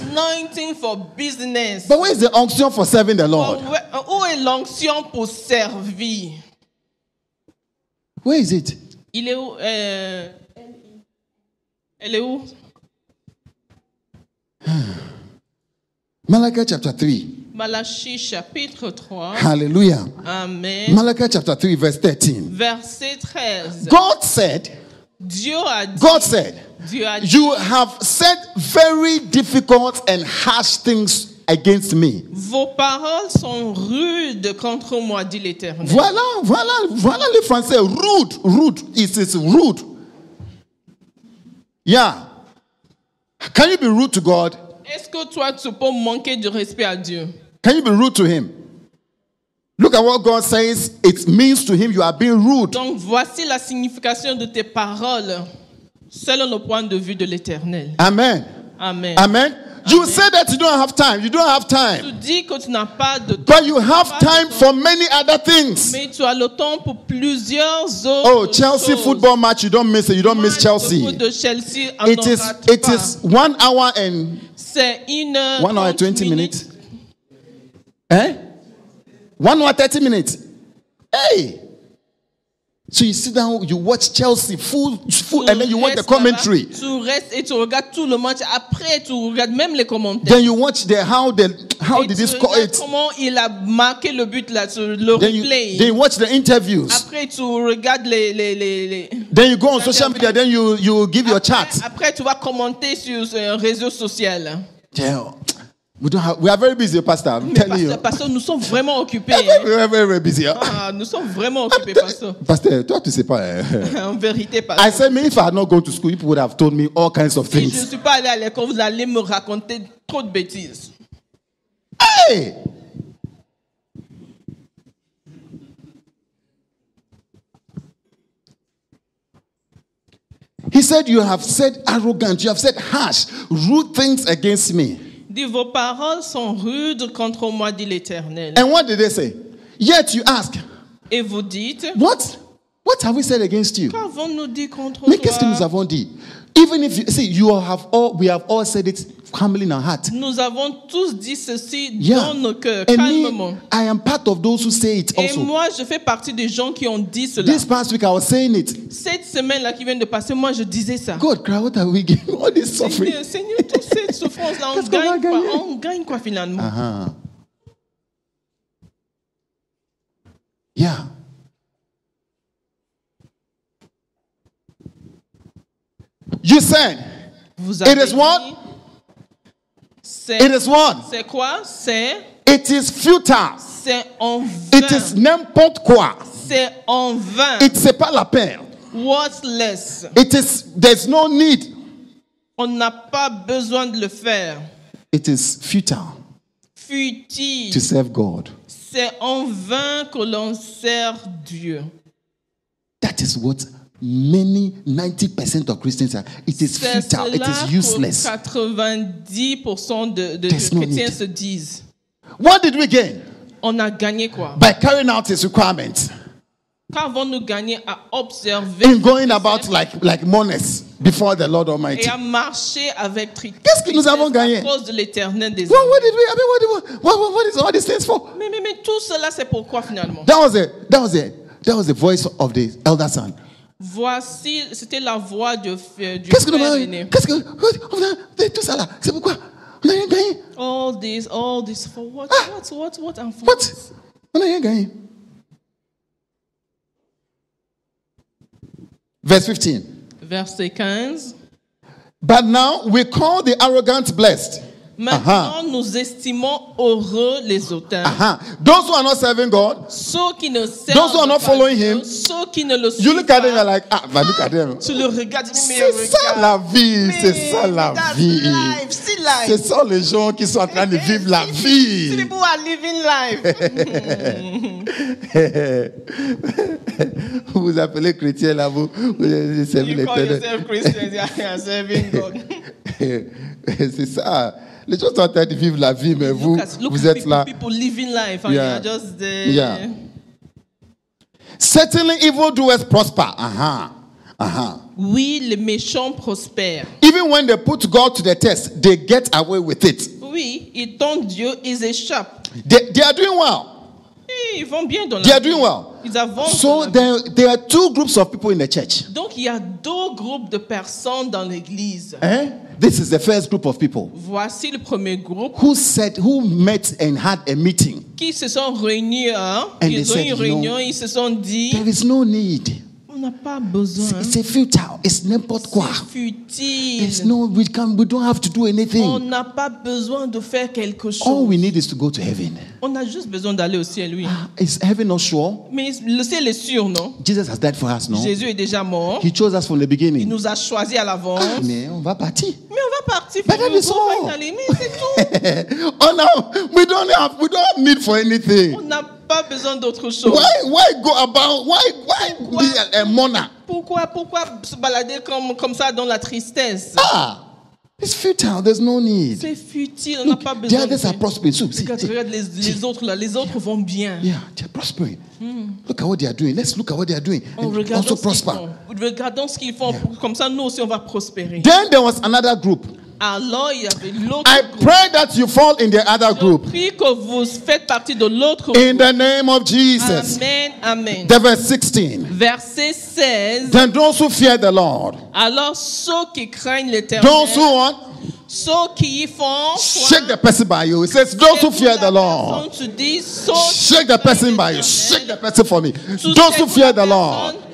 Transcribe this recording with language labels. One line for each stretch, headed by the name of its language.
English: Anointing for business. But where is the onction for serving the Lord?
French: Où est l'onction pour servir?
English: Where is it?
French: Il est où? Elle est où?
English: Malachi chapter 3.
French: Malachi chapitre 3.
English: Hallelujah. Amen. Malachi chapter 3 verse 13.
French: Verset 13.
English: God said,
French: Dieu a dit,
English: God said,
French: Dieu a dit,
English: you have said very difficult and harsh things against me.
French: Vos paroles sont rudes contre moi, dit l'Éternel. Voilà, voilà, voilà le français.
English: Rude, rude. It's rude. Yeah. Can you be rude to God?
French: Est-ce que toi, tu peux manquer de respect à Dieu?
English: Can you be rude to him? Look at what God says. It means to him you are being rude.
French: Donc voici la signification de tes paroles selon le point de vue de l'Éternel.
English: Amen. Amen. Amen. You say that you don't have time. You don't have time.
French: Tu dis que tu n'as pas de temps.
English: But you have time for many other things.
French: Mais tu as le temps pour plusieurs autres.
English: Oh, Chelsea
French: choses.
English: Football match. You don't miss it. You don't miss Chelsea.
French: De Chelsea
English: it is 1 hour and
French: c'est une
English: 1 hour and 20 minutes. Eh? 1 hour 30 minutes. Hey! So you sit down, you watch Chelsea full, and then you watch the commentary.
French: Tu restes et tu regardes tout le match. Après, tu regardes même les commentaires.
English: Then you watch how did he score it?
French: Comment il a marqué le but là sur le replay.
English: Then you watch the interviews.
French: Après, tu regardes les.
English: Then you go on social media. Then you give your chat.
French: Après, tu vas commenter sur un réseau social.
English: Yeah. We are very busy, Pastor. I'm telling you.
French: Pastor, nous sommes vraiment occupés.
English: We are very, very busy.
French: Nous sommes vraiment occupés, Pastor. Pastor, toi, tu sais pas. En vérité, Pastor.
English: I said, if I had not gone to school, people would have told me all kinds of things.
French: Si je ne suis pas allé à l'école, vous allez me raconter trop de bêtises. Hey!
English: He said, you have said arrogant, you have said harsh, rude things against me.
French: Dit, vos paroles sont rudes contre moi, dit l'Éternel.
English: And what did they say? Yet you ask.
French: Et vous dites.
English: What? What have we said against you?
French: Qu'avons-nous dit contre toi? Mais qu'est-ce que nous avons dit?
English: Even if you see, we have all said it calmly in our heart.
French: Nous avons tous dit ceci dans nos cœurs, calmement.
English: I am part of those who say it also.
French: Et moi, je fais partie des gens qui ont dit cela.
English: This past week, I was saying it.
French: Cette semaine-là qui vient de passer, moi, je disais ça.
English: God, cry, what are we getting? All this suffering.
French: Seigneur, toute cette souffrance-là, on gagne quoi? On gagne quoi finalement? Uh-huh. Yeah.
English: You said,
French: vous avez
English: it is what?
French: C'est,
English: it is what?
French: C'est quoi? C'est,
English: it is futile.
French: C'est en vain.
English: It is
French: n'importe quoi. C'est en vain. It c'est pas la peine.
English: Worthless. It is, there's no need.
French: On n'a pas besoin de le faire.
English: It is futile. Futile. To serve God.
French: C'est en vain que l'on sert Dieu.
English: That is what many 90% of Christians are. It is futile. It is useless.
French: 90% de chrétiens se disent.
English: What did we gain?
French: On a gagné quoi?
English: By carrying out his requirements.
French: Qu'avons-nous gagné à observer?
English: In going about like mourners before the Lord Almighty.
French: Et à marcher avec tristesse. Qu'est-ce que nous avons gagné? À cause de l'Éternel des.
English: What did we? I mean, what is all these things for?
French: Mais tout cela c'est pourquoi finalement?
English: That was the voice of the elder son.
French: Voici, c'était la voix du frère aîné. Qu'est-ce que tout ça là, c'est pourquoi on a rien gagné?
English: All this for what? Ah, what and for
French: what? On a rien gagné. Verset 15.
English: But now we call the arrogant blessed.
French: Maintenant, uh-huh. Nous estimons heureux les hautains. Uh-huh.
English: Those who are not serving God.
French: Ceux qui ne servent
English: those who are not following
French: Dieu,
English: him.
French: Ceux qui ne le suivent.
English: You look at them, you're like, ah, look at them.
French: Tu le regardes, mais c'est ça la vie, c'est ça la vie.
English: See life.
French: C'est ça les gens qui sont en train de vivre la vie.
English: See people are living life.
French: Vous appelez chrétien là, vous servez les tenants.
English: You call yourself Christian, you're serving God.
French: C'est ça. Les gens sont en train de vivre la vie, mais vous êtes là.
English: People living life, and you're just there. Yeah. Certainly, evildoers prosper. Uh-huh. Uh-huh.
French: Oui, les méchants prospèrent.
English: Even when they put God to the test, they get away with it.
French: Oui, ils tombent Dieu, ils échappent.
English: They are doing well.
French: Ils vont bien dans la vie.
English: They are doing well.
French: Ils avancent.
English: So there are two groups of people in the church.
French: Donc, il y a deux groupes de personnes dans l'église. Hein?
English: This is the first group of people.
French: Voici le premier groupe.
English: Who met and had a meeting.
French: Qui se sont réunis, hein?
English: And
French: ils
English: they
French: ont
English: said,
French: réunion,
English: you know,
French: ils se sont dit,
English: there is no need.
French: On n'a pas besoin. C'est futile. It's n'importe quoi. C'est futile.
English: It's no, we don't have to do anything.
French: On n'a pas besoin de faire quelque chose.
English: All we need is to go to heaven.
French: On a juste besoin d'aller au ciel, oui.
English: Is heaven not sure?
French: Mais le ciel est sûr, non?
English: Jesus has died for us, non?
French: Jésus est déjà mort.
English: He chose us from the beginning.
French: Il nous a choisi à l'avance. Ah, mais on va partir. Mais on va partir.
English: But that is all.
French: Mais c'est tout.
English: Oh no, we don't need for anything.
French: On n'a pas besoin d'autre chose.
English: Why go about? Why pourquoi, be a mourner?
French: Pourquoi se balader comme ça dans la tristesse?
English: Ah, it's futile. There's no need.
French: C'est futile. On n'a pas besoin.
English: The others are prospering. So,
French: regarde les autres là. Les autres vont bien.
English: Yeah, they're prospering. Look at what they are doing. Let's look at what they are doing. And also prosper.
French: Regardons ce qu'ils font. Yeah. Comme ça, nous aussi, on va prospérer.
English: Then there was another group.
French: Alors, il y avait l'autre
English: I
French: groupe.
English: Pray that you fall in the other group.
French: Je prie que vous faites partie de l'autre
English: in
French: groupe.
English: The name of Jesus. Amen, amen. The verse 16.
French: Verset 16.
English: Then those who fear the Lord.
French: Alors, ceux qui craignent l'Éternel.
English: Those who want.
French: Ceux qui font.
English: Shake the person by you. It says, those who fear the Lord. Shake the person by you. Shake the person for me. Those who fear the Lord.